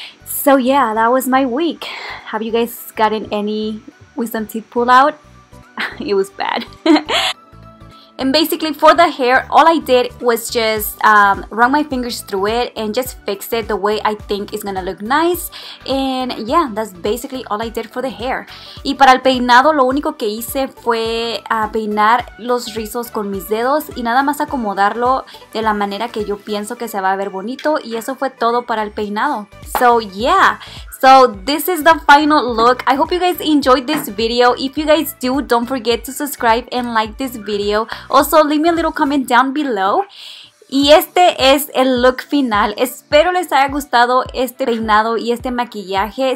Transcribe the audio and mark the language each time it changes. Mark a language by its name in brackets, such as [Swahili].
[English] So yeah, that was my week. Have you guys gotten any wisdom teeth pulled out? It was bad. And basically for the hair, all I did was just run my fingers through it and just fix it the way I think it's gonna look nice. And yeah, that's basically all I did for the hair. [Spanish] Y para el peinado, lo único que hice fue peinar los rizos con mis dedos y nada más acomodarlo de la manera que yo pienso que se va a ver bonito. Y eso fue todo para el peinado. [English] So yeah. So this is the final look. I hope you guys enjoyed this video. If you guys do, don't forget to subscribe and like this video. Also, leave me a little comment down below. [Spanish] Y este es el look final. Espero les haya gustado este peinado y este maquillaje.